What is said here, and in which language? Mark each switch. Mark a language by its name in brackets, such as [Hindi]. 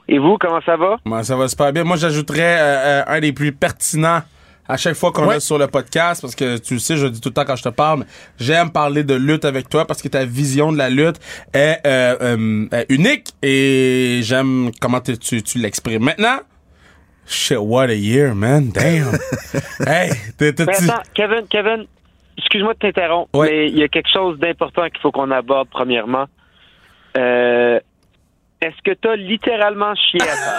[French] Et vous, comment ça va? Ben, ça va super bien. Moi, j'ajouterais un des plus pertinents à chaque fois qu'on est sur le podcast, parce que tu le sais, je le dis tout le temps quand je te parle, mais j'aime parler de lutte avec toi parce que ta vision de la lutte est unique et j'aime comment tu l'exprimes. Maintenant, [English] shit, what a year, man. Damn. Hey, [French] attends, Kevin, excuse-moi de t'interrompre, mais il y a quelque chose d'important qu'il faut qu'on aborde premièrement. Est-ce que t'as littéralement chié à